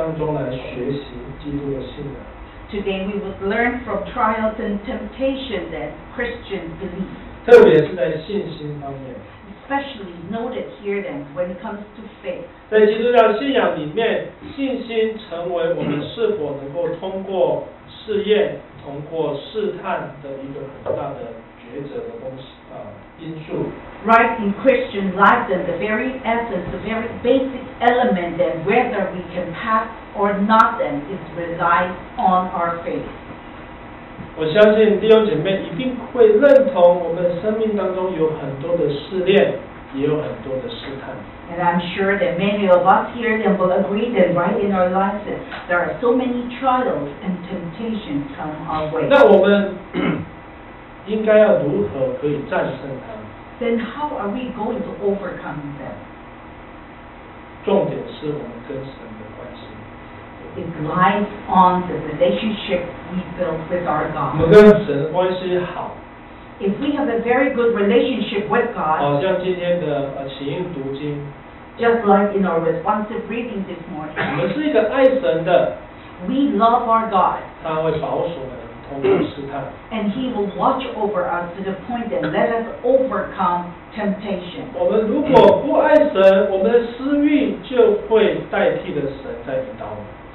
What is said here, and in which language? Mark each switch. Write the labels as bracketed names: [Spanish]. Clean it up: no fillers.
[Chinese] 今天我们要从试炼与试探当中来学习基督的信仰。 [English] Today we would learn from trials and temptation that Christian belief. [Chinese] 特别是在信心方面。 [English] Especially noted here then when it comes to faith. [Chinese] 在基督教信仰里面，信心成为我们是否能够通过试验、通过试探的一个很大的抉择的东西啊。因素。 [English] Right in Christian life, then the very essence, the very basic element, then whether we can pass or not, then is relied on our faith. [Chinese] 我相信弟兄姐妹一定会认同，我们生命当中有很多的试炼，也有很多的试探。 [English] And I'm sure that many of us here then will agree that right in our lives that there are so many trials and temptations come our way. [Chinese] 那我们应该要如何可以战胜它？ [English] Then how are we going to overcome them? [Chinese] 重点是我们跟神的关系。 [English] It lies on the relationship we build with our God. [Chinese] 我们跟神的关系好。 [English] If we have a very good relationship with God, [Chinese] 好像今天的起因读经。 [English] Just like in our responsive reading this morning. [Chinese] 我们是一个爱神的。 [English] We love our God. [Chinese] 他会保守的。 [English] And he will watch over us to the point that let us overcome temptation. [Chinese] 我们如果不爱神，我们的私欲就会代替了神在引导我们。